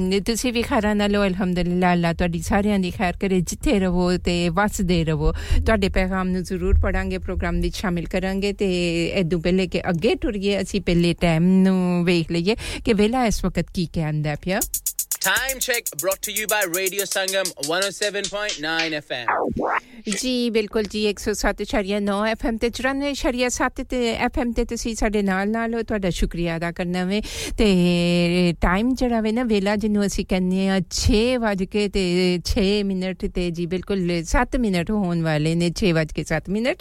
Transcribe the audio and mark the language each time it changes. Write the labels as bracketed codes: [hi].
[pa] ਤੁਸੀਂ ਵੀ ਖੈਰਾਂ ਨਾਲ ਹੋ ਅਲਹਮਦੁਲਿਲਾ ਅੱਲਾਹ ਤੁਹਾਡੀ ਸਾਰਿਆਂ ਦੀ ਖੈਰ ਕਰੇ ਜਿੱਥੇ ਰਹੋ ਅਤੇ ਵੱਸਦੇ ਰਹੋ ਤੁਹਾਡੇ ਪੈਗਾਮ ਨੂੰ ਜ਼ਰੂਰ ਪੜਾਂਗੇ ਪ੍ਰੋਗਰਾਮ ਵਿੱਚ ਸ਼ਾਮਿਲ ਕਰਾਂਗੇ ਅਤੇ ਇੱਦੋਂ ਪਹਿਲੇ ਕਿ ਅੱਗੇ ਟੁਰੀਏ ਅਸੀਂ ਪਹਿਲੇ ਟਾਈਮ ਨੂੰ ਵੇਖ ਲਈਏ ਕਿ ਵਿਹਲਾ ਇਸ ਵਕਤ ਕੀ ਕਹਿੰਦਾ ਪਿਆ [en] Time check brought to you by Radio Sangam 107.9 FM. [pa] ਜੀ ਬਿਲਕੁਲ ਜੀ 107.9 FM ਤੇ 94.7 ਤੇ FM ਤੇ ਤੁਸੀਂ ਸਾਡੇ ਨਾਲ ਨਾਲ ਹੋ ਤੁਹਾਡਾ ਸ਼ੁਕਰੀਆ ਅਦਾ ਕਰਨਾ ਵੇ ਅਤੇ ਟਾਈਮ ਜਿਹੜਾ ਵੇ ਨਾ ਵਿਹਲਾ ਜਿਹਨੂੰ ਅਸੀਂ ਕਹਿੰਦੇ ਹਾਂ 6:00 ਅਤੇ 6 ਮਿੰਟ ਅਤੇ ਜੀ ਬਿਲਕੁਲ 7 ਮਿੰਟ ਹੋਣ ਵਾਲੇ ਨੇ 6:07